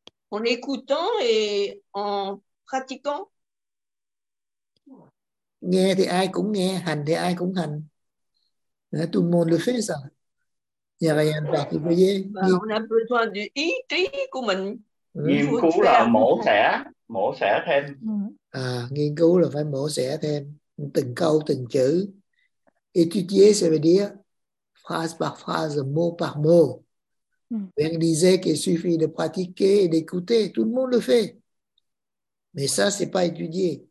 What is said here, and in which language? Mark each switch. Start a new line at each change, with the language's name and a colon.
French: En écoutant et en pratiquant.
Vietnamese: Nghe thì ai cũng nghe, hành thì ai cũng hành.
French: Tout le monde le fait ça. Il n'y a rien de particulier. Bah, on a besoin du
Vietnamese: ý trí của mình. Nghiên cứu là mổ xẻ thêm. À, nghiên cứu là phải mổ xẻ thêm từng câu từng chữ. Étudier, ça veut dire
French: phrase par phrase, mot par mot. Bien disait qu'il suffit de pratiquer et d'écouter. Tout le monde le fait. Mais ça, c'est pas étudier.